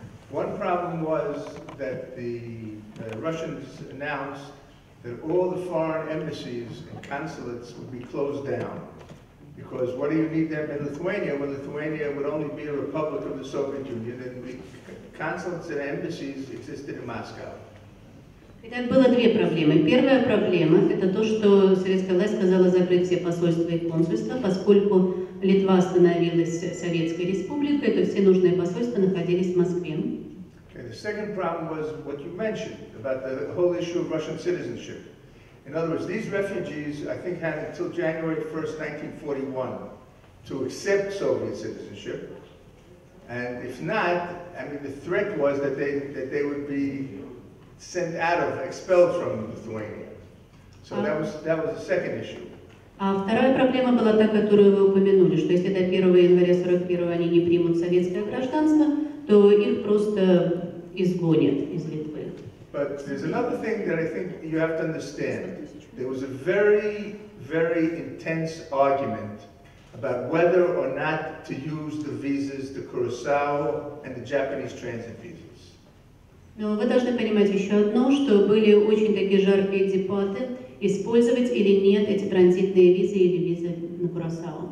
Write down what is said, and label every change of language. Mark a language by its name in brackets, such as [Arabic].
[English] One problem was that the Russians announced that all the foreign embassies and consulates would be closed down. Because what do you need them in Lithuania? Well, Lithuania would only be a republic of the Soviet Union, and the consulates and embassies existed in Moscow. [Russian] Итак, было две проблемы. Первая проблема – это то, что советская власть сказала закрыть все посольства и консульства, поскольку Литва становилась Советской Республикой, то все нужные посольства находились в Москве. [English] Okay, the second problem was what you mentioned about the whole issue of Russian citizenship. In other words, these refugees, I think, had until January 1st, 1941 to accept Soviet citizenship. And if not, I mean, the threat was that they would be sent out of, expelled from Lithuania. So that was the second issue. [Russian] А вторая проблема была та, которую вы упомянули, что если до 1 января 41 они не примут советское гражданство, то их просто изгонят из Литвы. [English] But there's another thing that I think you have to understand. There was a very, very intense argument about whether or not to use the visas, the Curaçao and the Japanese transit visas. [Russian] Но вы должны понимать еще одно, что были очень такие жаркие дебаты, использовать или нет эти транзитные визы или визы на Курасао.